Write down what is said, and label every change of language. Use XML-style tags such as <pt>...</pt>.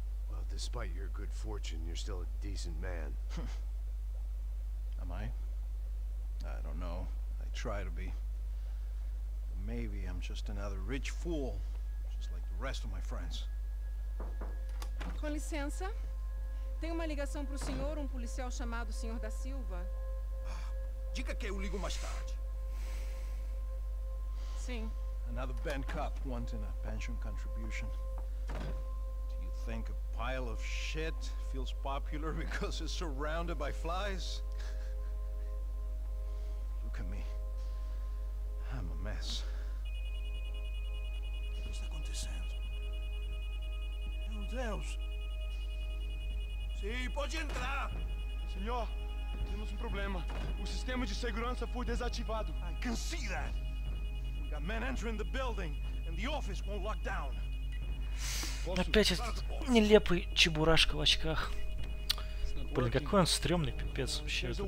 <en>Well, despite your good fortune, you're still a decent man. Am I? I don't know. I try to be. But maybe I'm just another rich fool, just like the rest of my friends.</en> <pt>Com licença. Tem uma ligação para o senhor, um policial chamado Senhor da Silva. Diga que eu ligo mais tarde. Sim.</pt> <en>Another bent cop wanting a pension contribution. Do you think a pile of shit feels popular because it's surrounded by flies? Look at me. I'm a mess.</en> <pt>O que está acontecendo? Meu Deus! Sim, pode entrar. Senhor, Temos problema. O sistema de segurança foi desativado.</pt> <en>I can see that. We got men entering the building, and the office won't lock down.</en> <ru>Опять этот нелепый чебурашка в очках. Блин, какой он стрёмный, пипец, вообще.</ru>